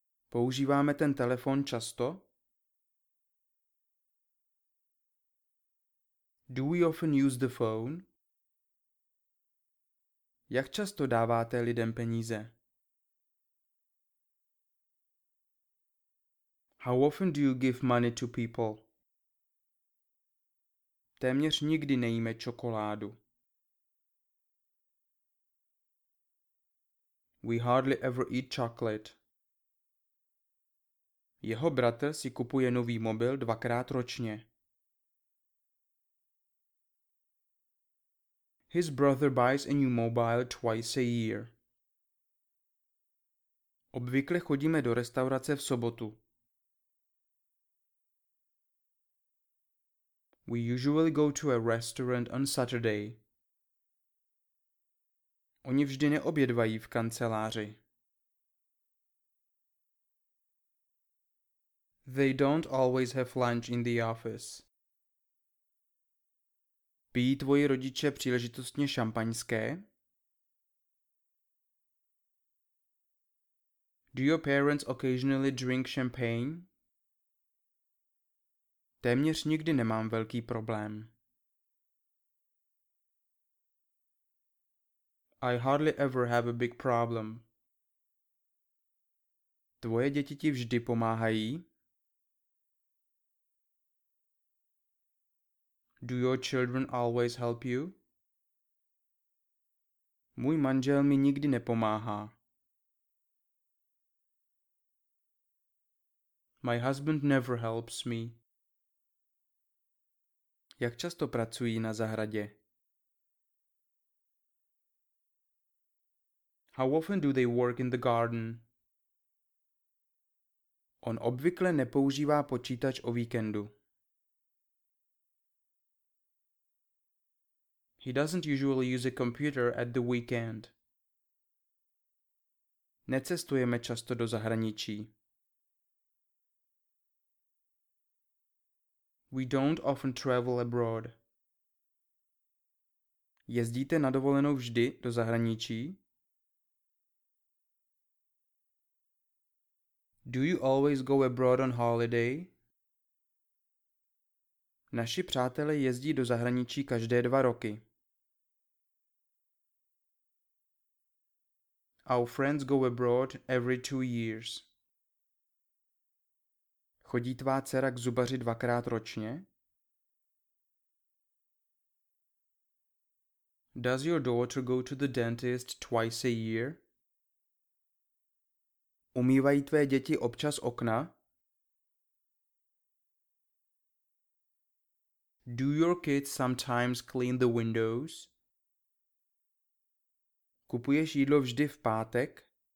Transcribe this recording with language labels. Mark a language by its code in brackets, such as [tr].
[cs] Používáme ten telefon často? [en] Do we often use the phone? [cs] Jak často dáváte lidem peníze? [en] How often do you give money to people? [cs] Téměř nikdy nejíme čokoládu. [en] We hardly ever eat chocolate. [cs] Jeho bratr si kupuje nový mobil dvakrát ročně. [en] His brother buys a new mobile twice a year. [cs] Obvykle chodíme do restaurace v sobotu. [en] We usually go to a restaurant on Saturday. [cs] Oni vždy neobědvají v kanceláři. [en] They don't always have lunch in the office. [cs] Pijí tvoji rodiče příležitostně šampaňské? [en] Do your parents occasionally drink champagne? [cs] Téměř nikdy nemám velký problém. [en] I hardly ever have a big problem. [cs] Tvoje děti ti vždy pomáhají? [en] Do your children always help you? [cs] Můj manžel mi nikdy nepomáhá. [en] My husband never helps me. [cs] Jak často pracují na zahradě? [en] How often do they work in the garden? [cs] On obvykle nepoužívá počítač o víkendu. [en] He doesn't usually use a computer at the weekend. [cs] Necestujeme často do zahraničí. [en] We don't often travel abroad. [cs] Jezdíte na dovolenou vždy do zahraničí? [en] Do you always go abroad on holiday? [cs] Naši přátelé jezdí do zahraničí každé 2 roky. [en] Our friends go abroad every 2 years. [cs] Chodí tvá dcera k zubaři 2x ročně? [en] Does your daughter go to the dentist twice a year? [cs] Umývají tvé děti občas okna? [en] Do your kids sometimes clean the windows? [cs] Kupuješ jídlo vždy v pátek?